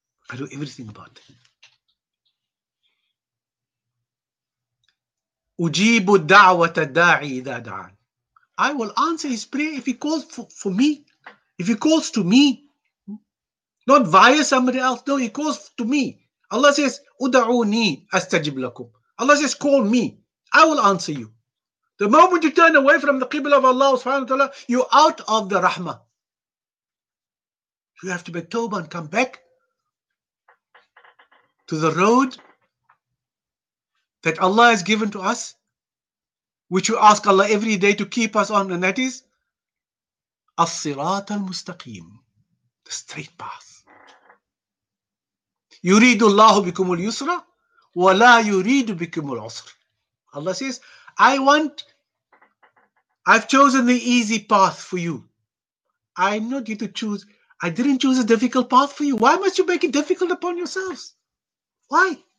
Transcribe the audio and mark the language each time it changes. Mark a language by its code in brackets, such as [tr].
[en] I do everything about them. [ar] أُجِيبُ الدَّعْوَةَ الدَّاعِي إِذَا دَعَانِ. [en] I will answer his prayer if he calls for me. If he calls to me, not via somebody else, no, he calls to me. Allah says, [ar] أُدَعُونِي أَسْتَجِبْ لَكُمْ. [en] Allah says, call me, I will answer you. The moment you turn away from the qibla of Allah subhanahu wa ta'ala, you're out of the rahmah. You have to make tawbah and come back to the road that Allah has given to us, which we ask Allah every day to keep us on, and that is [ar] الصراط المستقيم, [en] the straight path. [ar] يريد الله بكم اليسر ولا يريد بكم العسر. [en] Allah says, I've chosen the easy path for you. I'm not going to choose, I didn't choose a difficult path for you. Why must you make it difficult upon yourselves? Why?